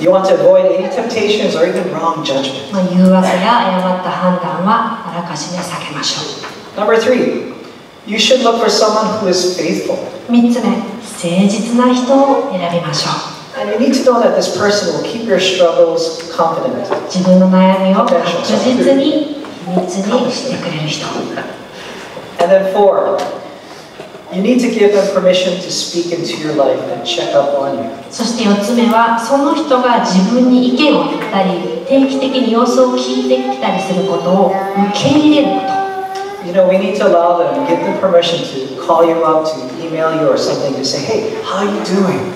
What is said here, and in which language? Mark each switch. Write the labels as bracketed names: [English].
[English] You want to avoid any temptations or even wrong judgment. [Japanese] 誘惑や誤った判断はあらかじめ避けましょう。 [English] Number three, you should look for someone who is faithful. [Japanese] 3つ目、誠実な人を選びましょう。 [English] And you need to know that this person will keep your struggles confident. [Japanese] 自分の悩みを確実に秘密にしてくれる人。 [English] And then four, you need to give them permission to speak into your life and check up on you. [Japanese] そして四つ目は、その人が自分に意見を言ったり、定期的に様子を聞いてきたりすることを受け入れること。 [English] You know, we need to allow them, give them permission to call you up, to email you or something, to say, hey, how are you doing?